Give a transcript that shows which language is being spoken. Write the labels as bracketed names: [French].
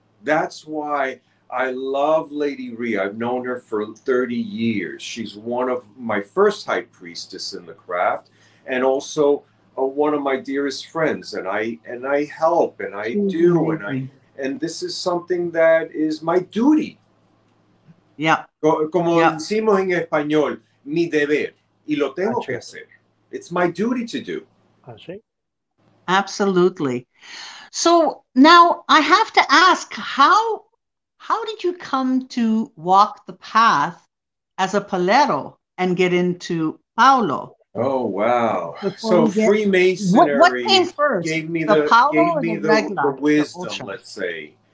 [English] That's why I love Lady Rhea. I've known her for 30 years. She's one of my first high priestess in the craft, and also one of my dearest friends. And I help, and I do, and this is something that is my duty. Yeah. [Spanish] Como decimos en español, mi deber, y lo tengo que hacer. [English] It's my duty to do. Absolutely. So now I have to ask, how did you come to walk the path as a Palero and get into Paolo? Oh, wow. Before so Freemasonry gave me the wisdom, let's say.